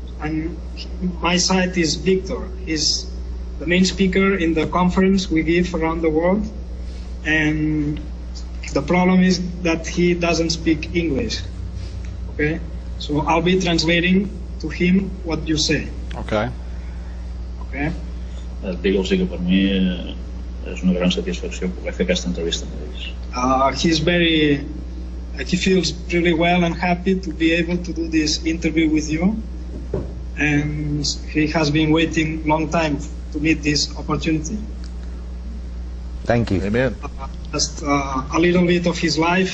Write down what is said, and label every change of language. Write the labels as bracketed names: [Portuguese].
[English] And my side is Victor. He's the main speaker in the conference we give around the world. And the problem is that he doesn't speak English. Okay? So I'll be translating to him what you say. Okay. Okay? [Spanish] Victor, sí que por mí es una gran satisfacción poder hacer esta entrevista con él. [English] He feels really well and happy to be able to do this interview with you. And he has been waiting a long time to meet this opportunity. Thank you. Amen. Just a little bit of his life.